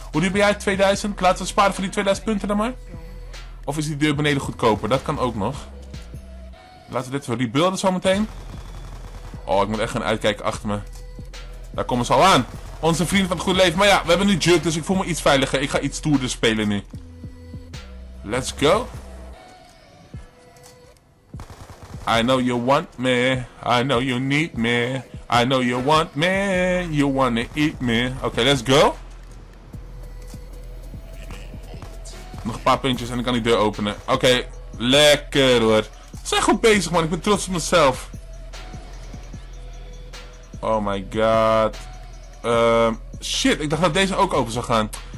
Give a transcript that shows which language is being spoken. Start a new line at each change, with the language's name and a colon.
Dutch: Hoe duur ben jij, 2000? Laten we sparen voor die 2000 punten dan maar. Of is die deur beneden goedkoper? Dat kan ook nog. Laten we dit wel rebuilden zo meteen. Oh, ik moet echt gaan uitkijken achter me. Daar komen ze al aan. Onze vrienden van het goede leven. Maar ja, we hebben nu Jug, dus ik voel me iets veiliger. Ik ga iets stoerder spelen nu.
English: Let's go. I know you want me, I know you need me, I know you want me, you wanna eat me. Okay, let's go.
Dutch: Nog een paar puntjes en dan kan die deur openen. Okay, lekker hoor. Zijn goed bezig man, ik ben trots op mezelf.
English: Oh my god.
Dutch: Shit, ik dacht dat deze ook open zou gaan.